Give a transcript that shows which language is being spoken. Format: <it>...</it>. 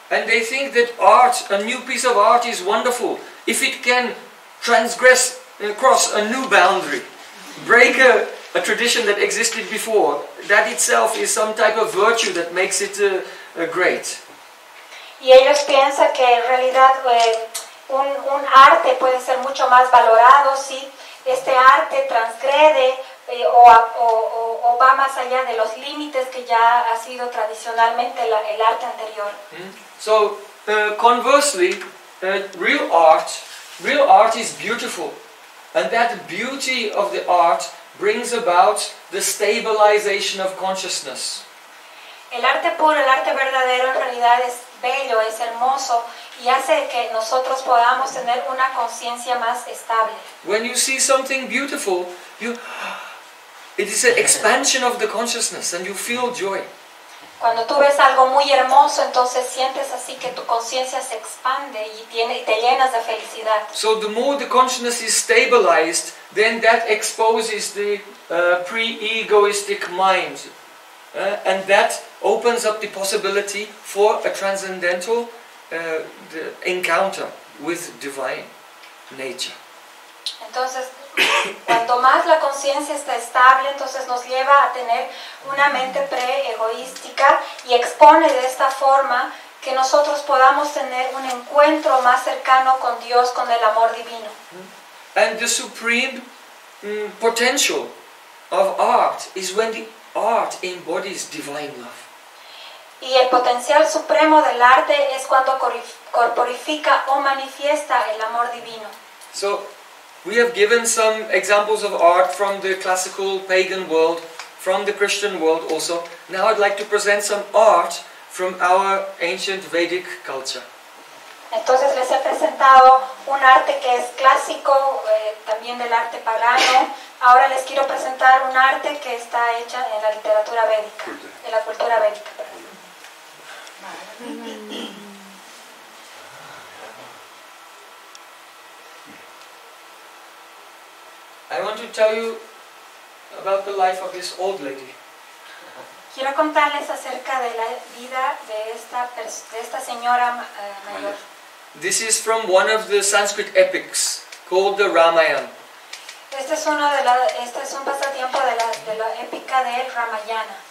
<en>And they think that art, a new piece of art, is wonderful if it can transgress across a new boundary, break a tradition that existed before. That itself is some type of virtue that makes it great.</en> <es>Y ellos piensan que en realidad un arte puede ser mucho más valorado si este arte transgrede o va más allá de los límites que ya ha sido tradicionalmente el arte anterior.</es> <en>So, conversely, real art is beautiful. And that beauty of the art brings about the stabilization of consciousness.</en> <es>El arte puro, el arte verdadero, en realidad es bello, es hermoso, y hace que nosotros podamos tener una conciencia más estable.</es> <en>When you see something beautiful, it is an expansion of the consciousness, and you feel joy.</en> <es>Cuando tú ves algo muy hermoso, entonces sientes así que tu conciencia se expande y te llenas de felicidad.</es> <en>So the more the consciousness is stabilized, then that exposes the pre-egoistic mind. And that opens up the possibility for a transcendental encounter with divine nature.</en> <es>Entonces, cuanto más la conciencia está estable, entonces nos lleva a tener una mente pre-egoística y expone de esta forma que nosotros podamos tener un encuentro más cercano con Dios, con el amor divino.</es> <en>And the supreme potential of art is when the art embodies divine love.</en> <es>Y el potencial supremo del arte es cuando corporifica o manifiesta el amor divino.</es> <en>So, we have given some examples of art from the classical pagan world, from the Christian world also. Now I'd like to present some art from our ancient Vedic culture.</en> <es>Entonces les he presentado un arte que es clásico, también del arte pagano. Ahora les quiero presentar un arte que está hecha en la literatura védica, en la cultura védica.</es> <en>I want to tell you about the life of this old lady.</en> <es>Quiero contarles acerca de la vida de esta señora mayor.</es> <en>This is from one of the Sanskrit epics called the Ramayana.</en> <es>Este es un pasatiempo de la épica de Ramayana.</es>